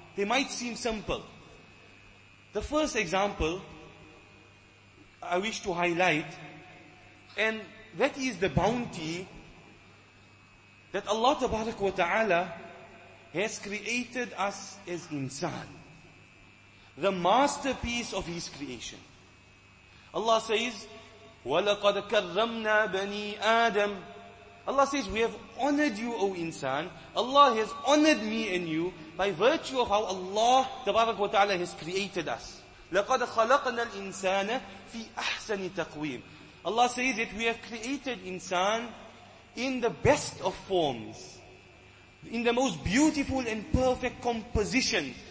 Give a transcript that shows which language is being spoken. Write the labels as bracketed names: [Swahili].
[English] They might seem simple. The first example I wish to highlight, and that is the bounty that Allah tabarak wa ta'ala has created us as insan, the masterpiece of His creation. Allah says, [Arabic] وَلَقَدْ كَرَّمْنَا بَنِي آدَمْ. [English] Allah says, we have honored you, O insan. Allah has honored me and you by virtue of how Allah tabarak wa ta'ala has created us. [Arabic] لَقَدْ خَلَقْنَا الْإِنسَانَ فِي أَحْسَنِ تَقْوِيمٍ. [English] Allah says that we have created insan in the best of forms, in the most beautiful and perfect composition.